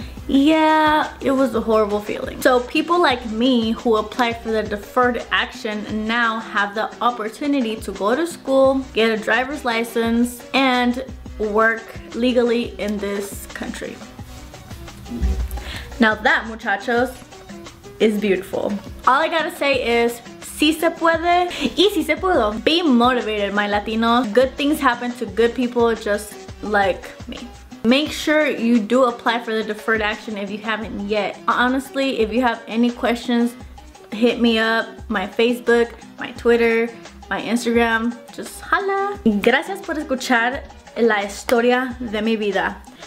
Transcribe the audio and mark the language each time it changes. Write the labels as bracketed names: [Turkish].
[English] Yeah, it was a horrible feeling. So people like me who applied for the deferred action now have the opportunity to go to school, get a driver's license, and work legally in this country. Now that, muchachos, is beautiful. All I gotta say is, [Spanish] si se puede, y si se pudo. [English] Be motivated, my Latinos. Good things happen to good people just like me. Make sure you do apply for the deferred action if you haven't yet. Honestly, if you have any questions, hit me up. My Facebook, my Twitter, my Instagram. Just holla. [Spanish] Gracias por escuchar la historia de mi vida.